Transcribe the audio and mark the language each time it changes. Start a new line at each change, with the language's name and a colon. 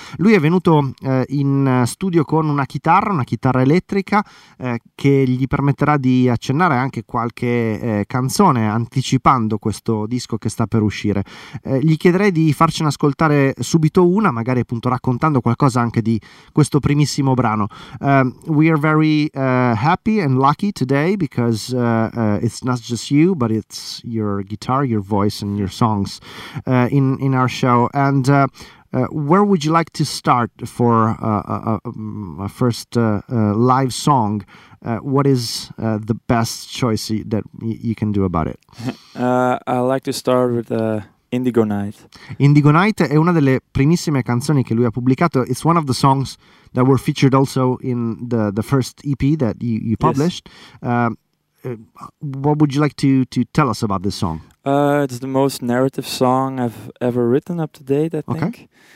Italian: Lui è venuto in studio con una chitarra elettrica, che gli permetterà di accennare anche qualche canzone, anticipando questo disco che sta per uscire. Gli chiederei di farcene ascoltare subito uno, magari appunto raccontando qualcosa anche di questo primissimo brano.
English: We are very happy and lucky today, because it's not just you, but it's your guitar, your voice and your songs in our show. And where would you like to start for a first live song? What is the best choice that you can do about it? I like to start with Indigo Night.
Italian: Indigo Night è una delle primissime canzoni che lui ha pubblicato.
English: It's one of the songs that were featured also in the first EP that you published. Yes. What would you like to tell us about this song? It's the most narrative song I've ever written up to date, I think.